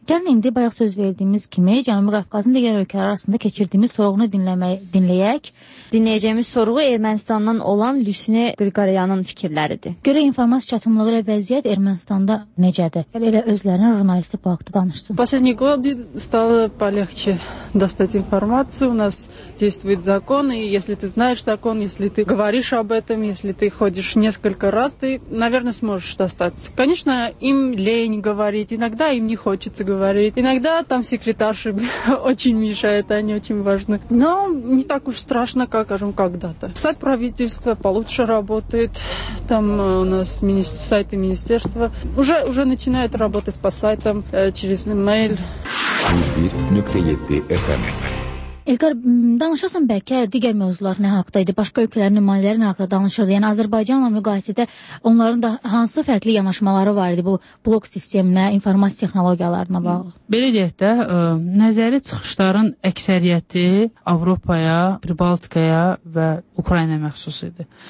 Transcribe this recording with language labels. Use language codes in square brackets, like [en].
[az] Gəlin indi bayaq söz verdiyimiz kimi Cənubi Qafqazın digər ölkələr arasında keçirdiyimiz sorğunu dinləyək. Dinləyəcəyimiz sorğu Ermənistandan olan Lüsinə Qriqoryanın fikirləridir. Görək informasiya çatımlığı ilə vəziyyət Ermənistanda necədir? Elə özlərinə jurnalistə bu haqda danışdım. [ru] Последний год стало полегче достать информацию. У нас действует закон, и если ты знаешь закон, если ты говоришь об этом, если ты ходишь несколько раз, ты, наверное, сможешь достаться. Конечно, им лень говорить, иногда им не хочется говорить. Иногда там секретарши очень мешают, они очень важны. Но не так уж страшно, как, скажем, когда-то. Сайт правительства получше работает. Там у нас сайты министерства уже начинают работать по сайтам через email. 101.7 FM. [az] İlqar, danışasın bəlkə digər mövzular nə haqda idi, başqa ölkələrin nümayəndələri nə haqda danışırdı? Yəni, Azərbaycanla müqayisədə onların da hansı fərqli yanaşmaları var idi bu blok sisteminə, informasiya texnologiyalarına bağlı? Belə deyək də, nəzəri çıxışların əksəriyyəti Avropaya, Baltikaya və Ukrayna məxsus idi.